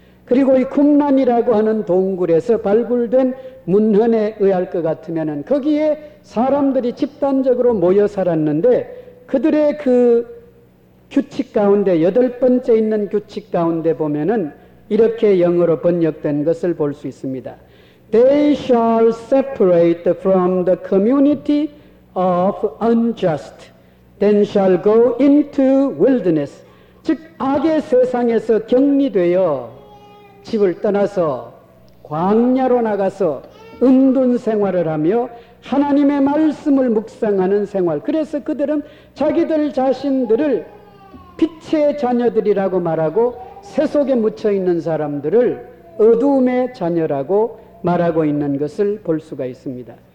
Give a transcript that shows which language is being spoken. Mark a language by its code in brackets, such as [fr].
[ko] 그리고 이 쿰란이라고 하는 동굴에서 발굴된 문헌에 의할 것 같으면 거기에 사람들이 집단적으로 모여 살았는데 그들의 그 규칙 가운데 여덟 번째 있는 규칙 가운데 보면은 이렇게 영어로 번역된 것을 볼 수 있습니다. [en] They shall separate from the community of unjust. Then shall go into wilderness. [ko] 즉 악의 세상에서 격리되어 집을 떠나서 광야로 나가서 은둔 생활을 하며 하나님의 말씀을 묵상하는 생활. 그래서 그들은 자기들 자신들을 빛의 자녀들이라고 말하고 새 속에 묻혀 있는 사람들을 어두움의 자녀라고 말하고 있는 것을 볼 수가 있습니다.